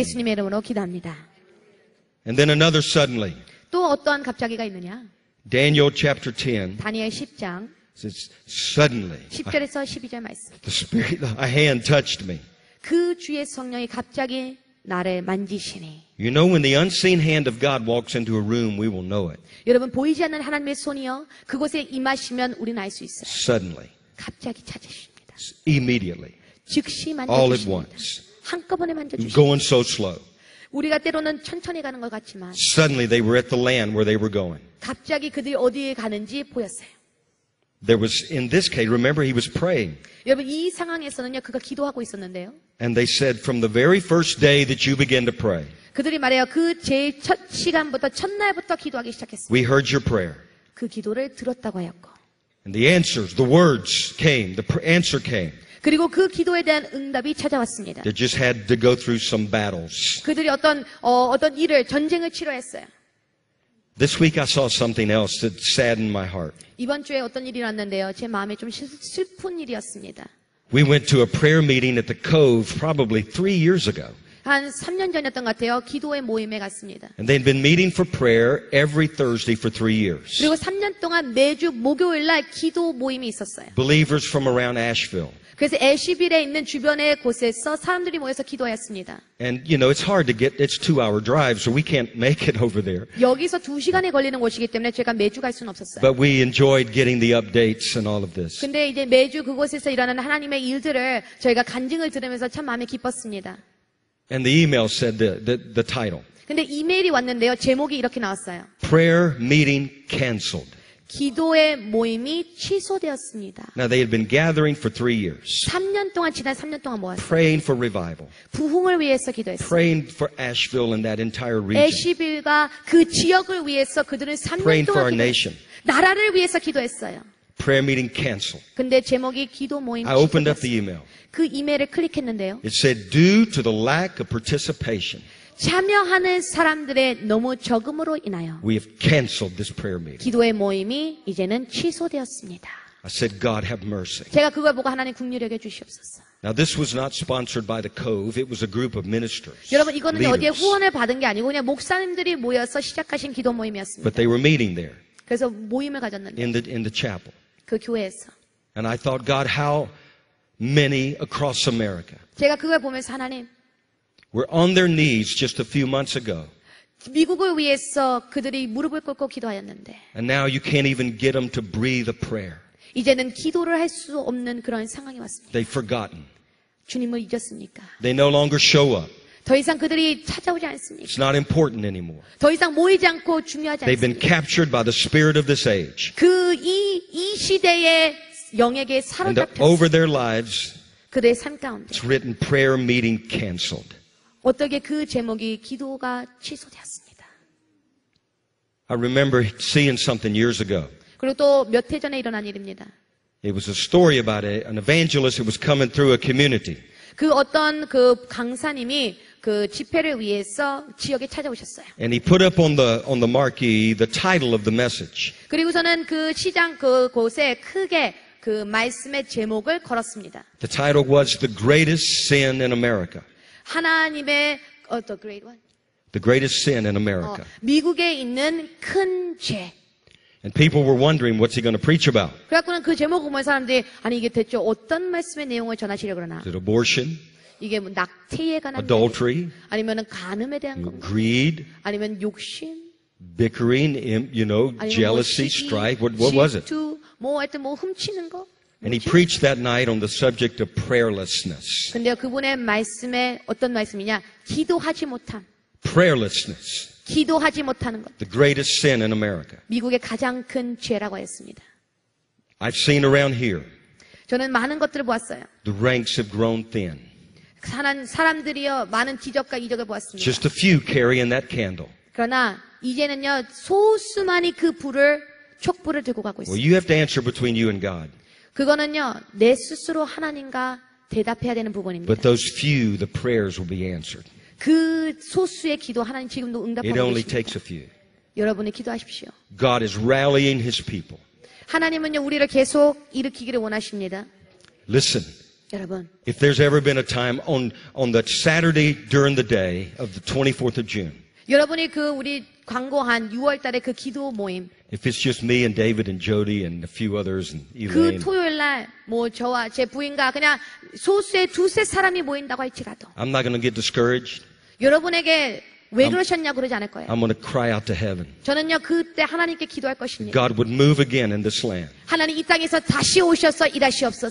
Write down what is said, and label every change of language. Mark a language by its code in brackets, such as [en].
[ko] 예수님의 이름으로 기도합니다. [en] And then another suddenly. [ko] 또 어떠한 갑자기가 있느냐? [en] Daniel chapter 10. [ko] 다니엘 10장. [en] Says suddenly. [ko] 10절에서 12절 말씀. [en] The Spirit, a hand touched me. [ko] 그 주의 성령이 갑자기 나를 만지시니. [en] You know when the unseen hand of God walks into a room, we will know it. [ko] 여러분 보이지 않는 하나님의 손이요 그곳에 임하시면 우리는 알 수 있어요. [en] Suddenly. [ko] 갑자기 찾으십니다. [en] Immediately. All at once. [ko] 한꺼번에 만져주시고. [en] Going so slow. [ko] 우리가 때로는 천천히 가는 것 같지만. [en] Suddenly they were at the land where they were going. [ko] 갑자기 그들이 어디에 가는지 보였어요. [en] There was in this case. Remember, he was praying. [ko] 여러분 이 상황에서는요 그가 기도하고 있었는데요. [en] And they said, from the very first day that you began to pray. [ko] 그들이 말해요 그 제일 첫 시간부터 첫날부터 기도하기 시작했어요. [en] We heard your prayer. [ko] 그 기도를 들었다고 하였고. [en] And the answers, the words came. The answer came. [ko] 그리고 그 기도에 대한 응답이 찾아왔습니다. [en] They just had to go through some battles. [ko] 그들이 어떤 일을 전쟁을 치러 했어요. [en] This week I saw something else that saddened my heart. [ko] 이번 주에 어떤 일이 났는데요. 제 마음에 좀 슬픈 일이었습니다. [en] We went to a prayer meeting at the Cove probably 3 years ago. [ko] 한 3년 전이었던 것 같아요. 기도회 모임에 갔습니다. [en] And they'd been meeting for prayer every Thursday for 3 years. [ko] 그리고 3년 동안 매주 목요일 날 기도 모임이 있었어요. [en] Believers from around Asheville. [ko] 그래서 애쉬빌에 있는 주변의 곳에서 사람들이 모여서 기도하였습니다. [en] And you know it's hard to get it's 2 hour drive so we can't make it over there. [ko] 여기서 2시간이 걸리는 곳이기 때문에 제가 매주 갈 수는 없었어요. [en] But we enjoyed getting the updates and all of this. [ko] 근데 이제 매주 그곳에서 일하는 하나님의 일들을 저희가 간증을 들으면서 참 마음이 기뻤습니다. [en] And the email said the title. [ko] 근데 이메일이 왔는데요. 제목이 이렇게 나왔어요. [en] Prayer meeting canceled. [ko] 기도의 모임이 취소되었습니다. [en] Now they had been gathering for 3 years. [ko] 3년 동안 지난 3년 동안 모았어요. [en] Praying for revival. [ko] 부흥을 위해서 기도했어요. [en] Praying for Asheville and that entire region. [ko] 애쉬빌과 그 지역을 위해서 그들은 3년 동안 [en] Praying for our nation. [ko] 나라를 위해서 기도했어요. [en] Prayer meeting canceled. [ko] 근데 제목이 기도 모임 [en] I opened up the email. [ko] 그 이메일을 클릭했는데요. [en] It said due to the lack of participation. [ko] 참여하는 사람들의 너무 적음으로 인하여 [en] We have canceled this prayer meeting. [ko] 기도의 모임이 이제는 취소되었습니다. [en] I said God have mercy. [ko] 제가 그걸 보고 하나님 긍휼히 여겨 주시옵소서. [en] Now this was not sponsored by the Cove. It was a group of ministers. [ko] 여러분 이거는 어디에 후원을 받은 게 아니고 그냥 목사님들이 모여서 시작하신 기도 모임이었습니다. [en] But they were meeting there. [ko] 그래서 모임을 가졌는데 [en] in the chapel. [ko] 그 교회에서. [en] And I thought God how many across America. [ko] 제가 그걸 보면서 하나님 [en] We're on their knees just a few months ago. [ko] 미국을 위해서 그들이 무릎을 꿇고 기도하였는데. [en] And now you can't even get them to breathe a prayer. [ko] 이제는 기도를 할 수 없는 그런 상황이 왔습니다. [en] They've forgotten. [ko] 주님을 잊었습니까? [en] They no longer show up. [ko] 더 이상 그들이 찾아오지 않습니까? [en] It's not important anymore. [ko] 더 이상 모이지 않고 중요하지 [en] They've [ko] 않습니다. [en] They've been captured by the spirit of this age. [ko] 그 이 시대의 영에게 사로잡혔습니다. [en] And over their lives, [ko] 그들의 삶 가운데. [en] It's written prayer meeting canceled. [ko] 어떻게 그 제목이 기도가 취소되었습니다. [en] I remember seeing something years ago. [ko] 그리고 또 몇 해 전에 일어난 일입니다. [en] It was a story about an evangelist who was coming through a community. [ko] 그 어떤 그 강사님이 그 집회를 위해서 지역에 찾아오셨어요. [en] And he put up on the marquee the title of the message. [ko] 그리고서는 그 시장 그 곳에 크게 그 말씀의 제목을 걸었습니다. [en] The title was The Greatest Sin in America. [ko] 하나님의 [en] the great one. The greatest sin in America. [ko] 미국에 있는 큰 죄. [en] And people were wondering what's he going to preach about. [ko] 그래갖고는 그 제목을 보면 사람들이 아니 이게 대체 어떤 말씀의 내용을 전하시려 그러나? [en] Is it abortion? [ko] 이게 뭐 낙태에 관한? [en] Adultery? [ko] 아니면은 간음에 대한 건? [en] Greed? [ko] 아니면 욕심? [en] Bickering, you know, jealousy, strife. What was it? [ko] 질투 뭐 하여튼 뭐 훔치는 거? [en] And he preached that night on the subject of prayerlessness. [ko] 근데 그분의 말씀에 어떤 말씀이냐? 기도하지 못함. [en] Prayerlessness. [ko] 기도하지 못하는 것. [en] The greatest sin in America. [ko] 미국의 가장 큰 죄라고 했습니다. [en] I've seen around here. [ko] 저는 많은 것들을 보았어요. [en] The ranks have grown thin. [ko] 사람들이요 많은 기적과 이적을 보았습니다. [en] Just a few carrying that candle. [ko] 그러나 이제는요 소수만이 그 불을 촛불을 들고 가고 있습니다. [en] Well, you have to answer between you and God. [ko] 그거는요 내 스스로 하나님과 대답해야 되는 부분입니다. [en] But those few, the prayers will be answered. [ko] 그 소수의 기도 하나님 지금도 응답하고 계십니다. [en] It only takes a few. [ko] 여러분이 기도하십시오. [en] God is rallying His people. [ko] 하나님은요 우리를 계속 일으키기를 원하십니다. [en] Listen. [ko] 여러분. [en] If there's ever been a time on the Saturday during the day of the 24th of June. [ko] 여러분이 그 우리 광고한 6월 달의 그 기도 모임. [en] If it's just me and David and Jody and a few others and Elaine. [ko] 그 토요일 날 뭐 저와 제 부인과 그냥 소수의 두세 사람이 모인다고 할지라도. [en] I'm not going to get discouraged. [ko] 여러분에게 왜 그러셨냐고 그러지 않을 거예요. [en] I'm going to cry out to heaven. [ko] 저는요 그때 하나님께 기도할 것입니다. [en] God would move again in this land. [ko] 하나님 이 땅에서 다시 오셔서 일하시옵소서.